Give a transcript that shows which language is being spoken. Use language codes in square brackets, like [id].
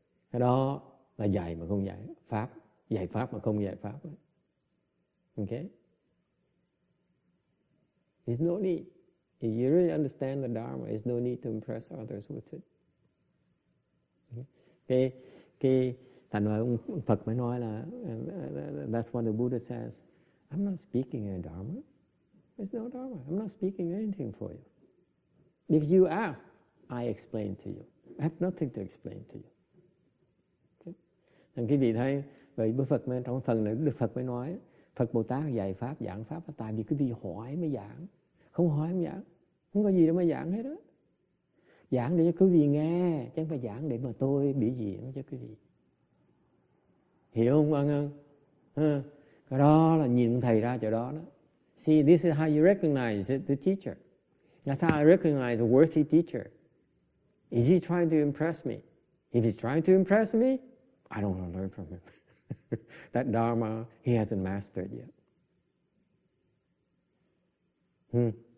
[vi] Cái đó là dạy mà không dạy pháp. Dạy pháp mà không dạy pháp. [en] Okay? There's no need. If you really understand the Dharma, there's no need to impress others with it. Okay? [vi] Cái Phật mới nói là [en] that's what the Buddha says. I'm not speaking in a Dharma. It's no Dharma. I'm not speaking anything for you. If you ask, I explain to you. I have nothing to explain to you. [vi] Thành cái vị thấy vậy Bồ Phật mới trong phần này Đức Phật mới nói Phật Bồ Tát dạy pháp giảng pháp là tại vì cái vị hỏi mới giảng, không hỏi mới giảng, không có gì đâu mà giảng hết đó. Giảng để cho quý vị nghe, chứ không phải giảng để mà tôi biểu diễn cho quý vị. Hiểu không anh ơi? Cái đó là nhìn thầy ra chỗ đó đó. [en] See, this is how you recognize the teacher. That's how I recognize a worthy teacher. Is he trying to impress me? If he's trying to impress me, I don't want to learn from him. That Dharma, he hasn't mastered yet.